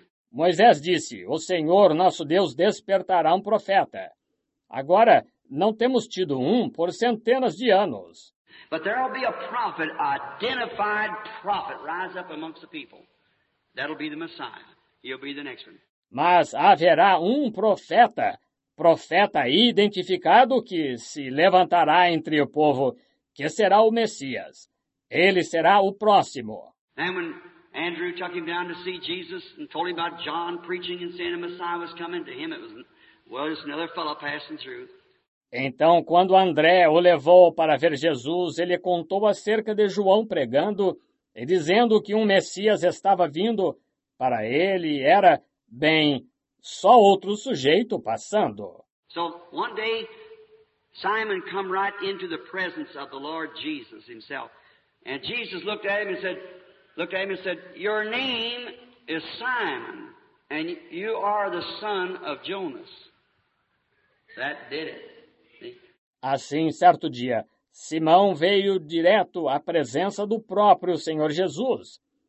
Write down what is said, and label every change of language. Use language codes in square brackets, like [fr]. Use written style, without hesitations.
[pt] Moisés disse, o Senhor nosso Deus despertará um profeta. Agora, não temos tido um por centenas de anos. [en] But there will be a prophet, identified prophet, rise up amongst the people. That'll be the Messiah. He'll be the next one. [pt] Mas haverá um profeta, profeta identificado que se levantará entre o povo, que será o Messias. Ele será o próximo. [en] And when Andrew took him down to see Jesus and told him about John preaching and saying the Messiah was coming to him, it was, well, just another fellow passing through. [pt] Então, quando André o levou para ver Jesus, ele contou acerca de João pregando e dizendo que um Messias estava vindo. Para ele, era, bem, só outro sujeito passando. [en] So, one day, Simon come right into the presence of the Lord Jesus himself. And Jesus looked at him and said, your name is Simon, and you are the son of Jonas. That did it. [pt] Assim, certo dia, Simão veio direto à presença do próprio Senhor Jesus.